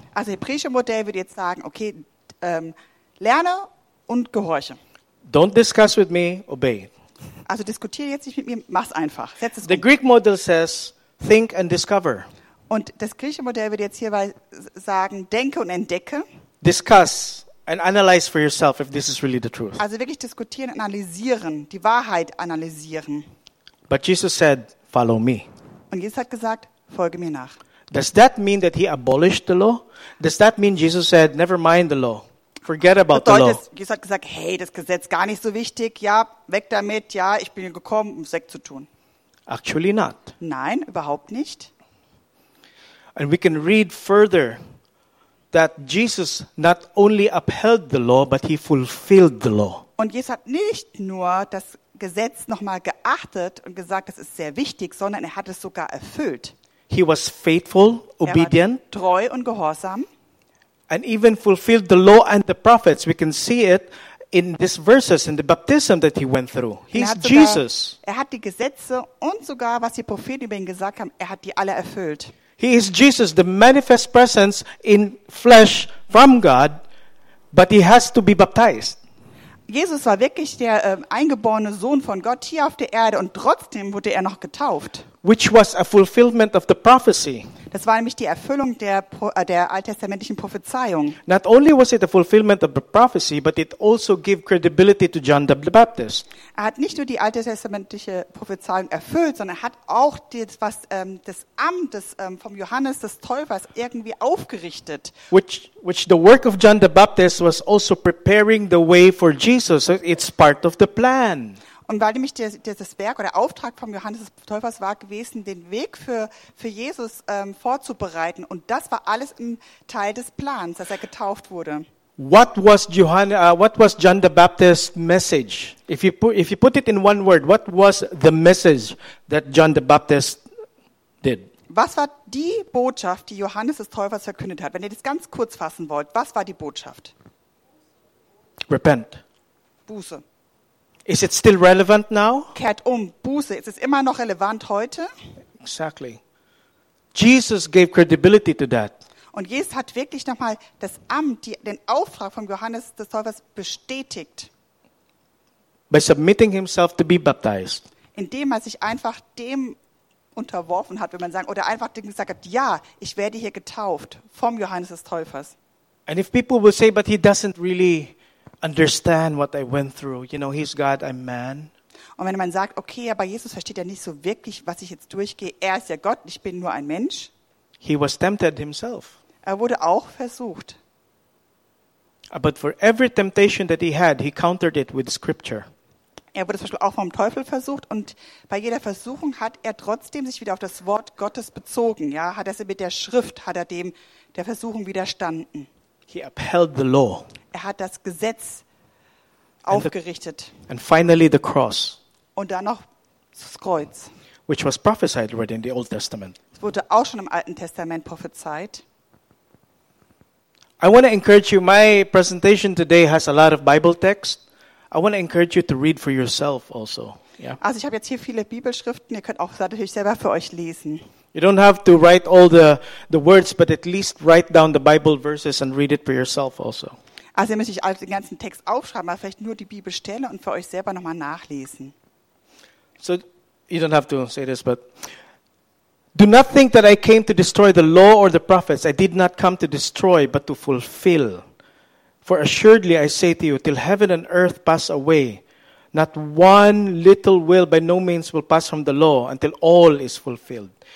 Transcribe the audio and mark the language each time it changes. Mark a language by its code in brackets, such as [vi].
[de] Also hebräische Modell würde jetzt sagen, okay, lerne und gehorche. [en] Don't discuss with me, obey. [de] Also diskutiere jetzt nicht mit mir, mach's einfach. Setz es [en] The [de] um. [en] Greek model says think and discover. [de] Und das griechische Modell würde jetzt hierbei sagen, denke und entdecke. [en] Discuss and analyze for yourself if this is really the truth. [de] Also wirklich diskutieren, analysieren, die Wahrheit analysieren. [en] But Jesus said, follow me. [de] Und Jesus hat gesagt, folge mir nach. [en] Does that mean that he abolished the law? Does that mean Jesus said, never mind the law? Forget about the law. [de] Jesus hat gesagt, hey, das Gesetz gar nicht so wichtig. Ja, weg damit. Ja, ich bin gekommen, um Sekt zu tun. [en] Actually not. [de] Nein, überhaupt nicht. [en] And we can read further that Jesus not only upheld the law, but he fulfilled the law. [de] Und Jesus hat nicht nur das Gesetz nochmal geachtet und gesagt, das ist sehr wichtig, sondern er hat es sogar erfüllt. [en] He was faithful, obedient, [de] er war treu und gehorsam, [en] and even fulfilled the law and the prophets. We can see it in these verses in the baptism that he went through. He's Jesus. [de] Er hat die Gesetze und sogar was die Propheten über ihn gesagt haben, er hat die alle erfüllt. [en] He is Jesus, the manifest presence in flesh from God, but he has to be baptized. [de] Jesus war wirklich der eingeborene Sohn von Gott hier auf der Erde und trotzdem wurde er noch getauft. [en] Which was a fulfillment of the prophecy. [de] Das war nämlich die Erfüllung der alttestamentlichen Prophezeiung. [en] Not only was it a fulfillment of the prophecy, but it also gave credibility to John the Baptist. [de] Er hat nicht nur die alttestamentliche Prophezeiung erfüllt, sondern hat auch das Amt des vom Johannes des Täufers irgendwie aufgerichtet. [en] Which the work of John the Baptist was also preparing the way for Jesus. So it's part of the plan. [de] Und weil nämlich das Werk oder Auftrag vom Johannes des Täufers war gewesen, den Weg für Jesus vorzubereiten. Und das war alles ein Teil des Plans, dass er getauft wurde. [en] What was John the Baptist's message? If you put it in one word, what was the message that John the Baptist did? [de] Was war die Botschaft, die Johannes des Täufers verkündet hat? Wenn ihr das ganz kurz fassen wollt, was war die Botschaft? [en] Repent. [de] Buße. [en] Is it still relevant now? [de] Kehrt um. Buße. Ist es immer noch relevant heute? [en] Exactly. Jesus gave credibility to that. [de] Und Jesus hat wirklich nochmal das Amt, den Auftrag von Johannes des Täufers bestätigt. [en] By submitting himself to be baptized. [de] Indem er sich einfach dem unterworfen hat, wenn man sagen, oder einfach gesagt hat, ja, ich werde hier getauft vom Johannes des Täufers. [en] And if people will say, but he doesn't really understand what I went through, you know, he's God, I'm man. [de] Und wenn man sagt, okay, aber Jesus versteht ja nicht so wirklich, was ich jetzt durchgehe, er ist ja Gott, ich bin nur ein Mensch. [en] He was tempted himself. [de] Er wurde auch versucht. [en] But for every temptation that he had, he countered it with scripture. [de] Er wurde zum Beispiel auch vom Teufel versucht und bei jeder Versuchung hat er trotzdem sich wieder auf das Wort Gottes bezogen. Ja, hat er sie mit der Schrift, hat er dem der Versuchung widerstanden. [en] He upheld the law. [de] Er hat das Gesetz aufgerichtet. [en] And finally the cross. [de] Und dann noch das Kreuz. [en] Which was prophesied already in the Old Testament. [de] Es wurde auch schon im Alten Testament prophezeit. [en] I want to encourage you, my presentation today has a lot of Bible text. I want to encourage you to read for yourself also. Yeah. [de] Also ich habe jetzt hier viele Bibelschriften, ihr könnt auch natürlich selber für euch lesen. [en] You don't have to write all the words, but at least write down the Bible verses and read it for yourself also. [de] Also ihr müsst nicht den ganzen Text aufschreiben, aber vielleicht nur die Bibelstelle und für euch selber nochmal nachlesen. [en] So, you don't have to say this, but do not think that I came to destroy the law or the prophets. I did not come to destroy, but to fulfill. For assuredly I say to you, till heaven and earth pass away, not one little will by no means will pass from the law until all is fulfilled.